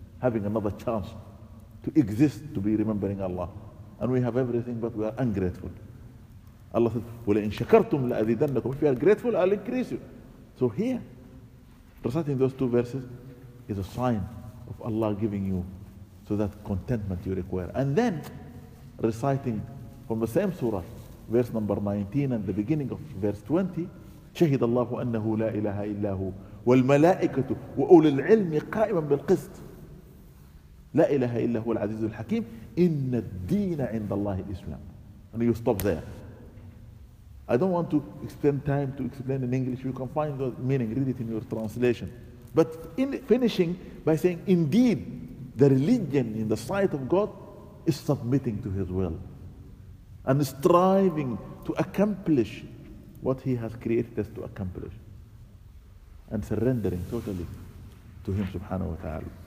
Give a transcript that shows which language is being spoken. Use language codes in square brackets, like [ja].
[en] Having another chance to exist, to be remembering Allah. And we have everything, but we are ungrateful. Allah says, [ar] وَلَئِنْ شَكَرْتُمْ لَأَذِيدَنَّكُمْ. [en] If you are grateful, I'll increase you. So here, reciting those two verses is a sign of Allah giving you to that contentment you require. And then reciting from the same surah, verse number 19 and the beginning of verse 20, [ar] شهد الله أنه لا إله إلا هو والملائكة وأولي العلم قائما بالقسط لا إله إلا هو العزيز الحكيم إن الدين عند الله الإسلام. [en] And you stop there. I don't want to extend time to explain in English. You can find the meaning, read it in your translation. But in finishing by saying, indeed, the religion in the sight of God is submitting to His will and striving to accomplish what He has created us to accomplish and surrendering totally to Him subhanahu wa ta'ala.